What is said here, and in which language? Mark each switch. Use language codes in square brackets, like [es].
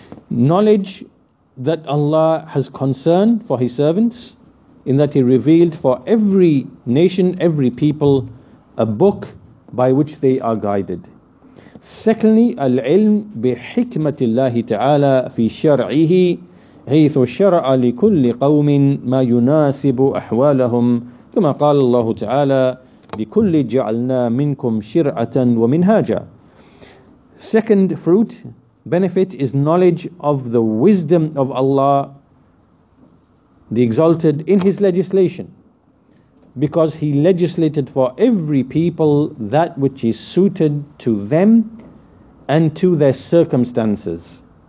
[en] Knowledge that Allah has concern for His servants, in that He revealed for every nation, every people, a book by which they are guided. Secondly, [ar] العلم بحكمة الله تعالى في شرعه حيث شرع لكل قوم ما يناسب أحوالهم كما قال الله تعالى لِكُلِّ جَعَلْنَا مِنْكُمْ شِرْعَةً وَمِنْهَاجًا. [en] Second fruit, benefit, is knowledge of the wisdom of Allah, the Exalted, in His legislation. Because He legislated for every people that which is suited to them and to their circumstances.